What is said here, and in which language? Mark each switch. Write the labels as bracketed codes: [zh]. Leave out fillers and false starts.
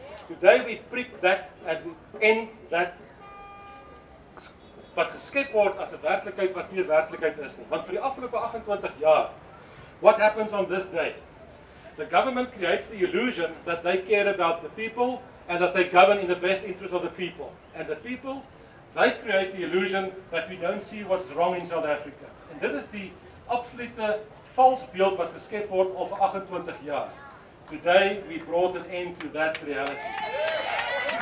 [en] Today we prick that and we end that [af] wat geskep word as 'n werklikheid wat nie 'n werklikheid is nie. Want vir die afgelope 28 jaar, [en] what happens on this day? The government creates the illusion that they care about the people and that they govern in the best interest of the people. And the people, they create the illusion that we don't see what's wrong in South Africa. [af] En dit is die absolute vals beeld wat geskep word oor 28 jaar. [en] Today we brought an end to that reality.